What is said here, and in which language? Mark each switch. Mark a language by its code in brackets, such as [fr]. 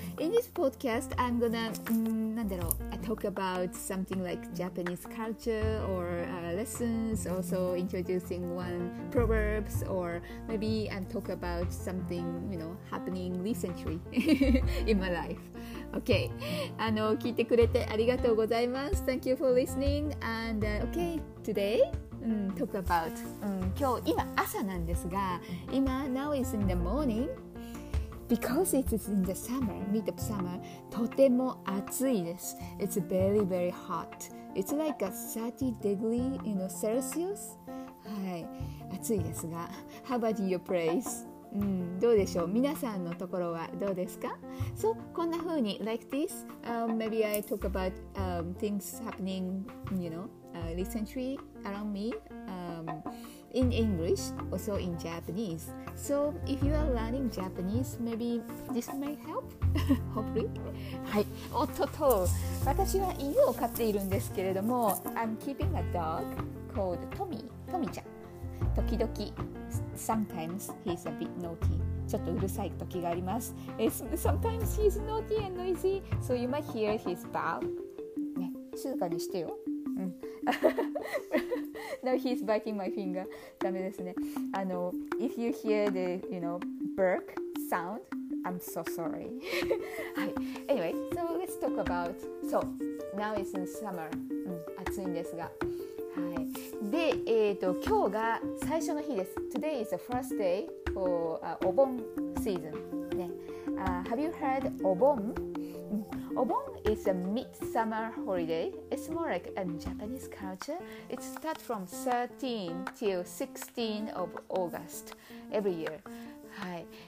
[en] In this podcast, I'm gonna, talk about something like Japanese culture or lessons, also introducing one proverbs, or maybe I'm talk about something, you know, happening recently in my life. [ja] Okay,聞いてくれてありがとうございます。 [en] Thank you for listening. And okay, today, talk about, [ja] 今日今朝なんですが、今 [en] now is in the morning. Because it is in the summer, mid of summer, [ja] とても暑いです。 [en] It's very, very hot. It's like a 30 degree, you know, Celsius. [ja] はい、暑いですが、 [en] How about your place? [ja] どうでしょう皆さんのところはどうですか [en] So, [ja] こんな風に [en] like this,maybe I talk about things happening, you know, recently around me, in English, also in Japanese. So, if you are learning Japanese, maybe this may help, hopefully. [ja] はい、おっとっと、私は犬を飼っているんですけれども、 [en] I'm keeping a dog called Tommy, Tommy ちゃん。 [ja] 時々。 [en] Sometimes he's a bit naughty. [ja] ちょっとうるさい時があります。 [en] Sometimes he's naughty and noisy, so you might hear his bark. [ja] ね、静かにしてよ。 [en] うん。Now he's biting my finger. [ja] ダメですね。 [en] If you hear the, you know, bark sound, I'm so sorry. はい。Anyway, so let's talk about. So now it's in summer. [ja] 暑いんですが。で、今日が最初の日です。 [en] Today is the first day for お盆 season. ね、have you heard お盆?お盆 is a midsummer holiday. It's more like a Japanese culture. It starts from 13 till 16 of August every year. はい。